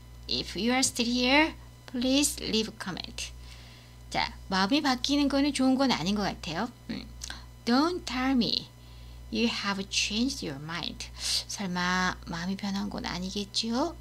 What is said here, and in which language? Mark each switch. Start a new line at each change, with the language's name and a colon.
English: If you are still here, please leave comment.
Korean: 자, 마음이 바뀌는 거는 좋은 건 아닌 것 같아요.
English: Don't tell me you have changed your mind.
Korean: 설마 마음이 변한 건 아니겠죠?